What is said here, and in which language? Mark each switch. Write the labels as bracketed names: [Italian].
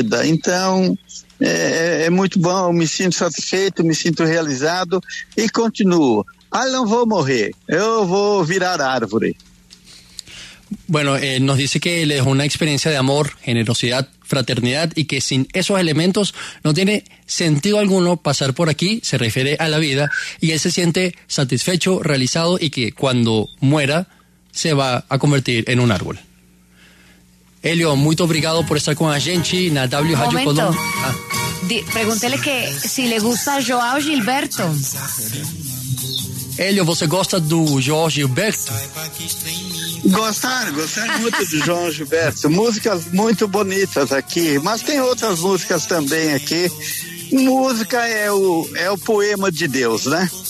[Portuguese] Então, é muito bom, me sinto satisfeito, me sinto realizado e continuo. Ah, não vou morrer, eu vou virar árvore. [Spanish] Bueno, nos dice que él es una experiencia de amor, generosidad, fraternidad y que sin esos elementos no tiene sentido alguno pasar por aquí, se refiere a la vida, y él se siente satisfecho, realizado y que cuando muera se va a convertir en un árbol. Hélio, muy [Portuguese] obrigado [Spanish] por estar con [Portuguese] a gente [Spanish] en la WHU Colón. Pregúntele que si le gusta João Gilberto. [Portuguese] Hélio, ¿você gosta do João Gilberto? Gostar muito de João Gilberto. Músicas muito bonitas aqui, mas tem outras músicas também aqui. Música é o poema de Deus, né?